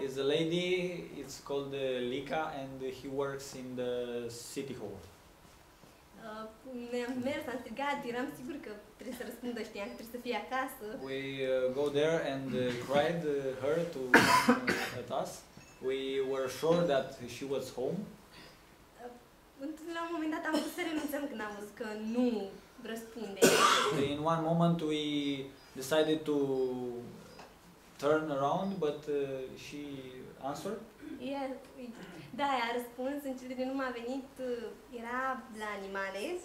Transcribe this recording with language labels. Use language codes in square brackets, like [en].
[en] It's a lady, it's called Lica and he works in the city hall. [ro] Ne-am mers, am strigat, eram sigur că trebuie să răspundă, știam că trebuie să fie acasă. [en] We go there and cried her to at us. We were sure that she was home. [ro] La un moment dat am vrut să renunțăm când am văzut că nu răspunde. [en] In one moment we decided to turn around, but she answered. [ro] Da, a răspuns, în cele din urmă a venit, era la animale.